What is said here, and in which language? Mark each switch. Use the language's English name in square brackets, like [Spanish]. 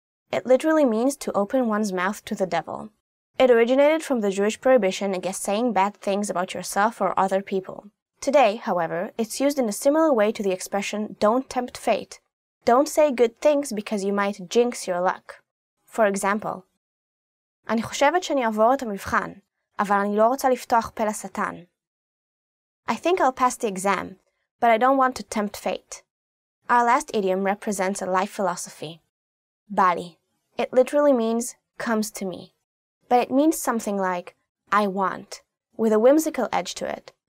[English] It literally means to open one's mouth to the devil. It originated from the Jewish prohibition against saying bad things about yourself or other people. Today, however, it's used in a similar way to the expression don't tempt fate. Don't say good things because you might jinx your luck. [Hebrew] For example, אני חושבת שאני אעבור את המבחן, אבל אני לא רוצה לפתוח פה לשטן. [English] I think I'll pass the exam, but I don't want to tempt fate. Our last idiom represents a life philosophy. Bali. It literally means comes to me. But it means something like I want, with a whimsical edge to it.